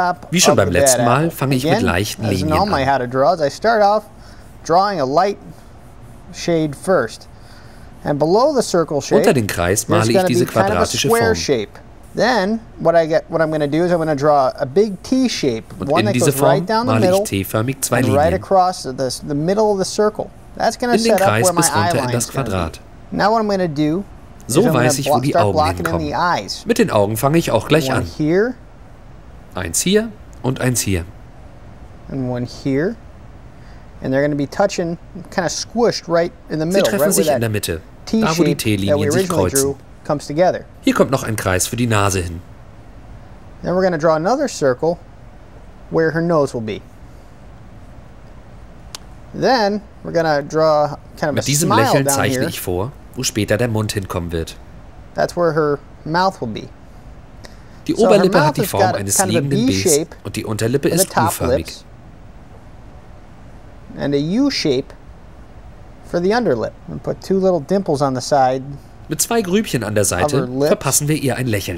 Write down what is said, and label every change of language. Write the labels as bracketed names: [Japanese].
[German] Wie schon beim letzten Mal, fange ich mit leichten Linien an. Unter den Kreis male ich diese quadratische Form. [English] Then what I'm going to do is I'm going to draw a big T shape, one that goes right down the middle, and right across the middle of the circle. That's going to set up where my eye lines are. Now what I'm going to do so is I'm going to start blocking in the eyes. [German] Mit den Augen fange ich auch gleich an. [English] Here, [German] eins hier und eins hier. [English] And one here, and they're going to be touching, kind of squished right in the middle. [German] Sie treffen sich in der Mitte, da wo die T-Linien sich kreuzen. [English] Comes together. [German] Hier kommt noch ein Kreis für die Nase hin. [English] Then we're going to draw another circle where her nose will be. Then we're going to draw kind of a smile down here. [German] Mit diesem Lächeln zeichne ich vor, wo später der Mund hinkommen wird. [English] That's where her mouth will be. [German] Die Oberlippe hat die Form eines liegenden B's und die Unterlippe ist U-förmig. [English] And a U-shape for the underlip. And put two little dimples on the side. [German] Mit zwei Grübchen an der Seite verpassen wir ihr ein Lächeln.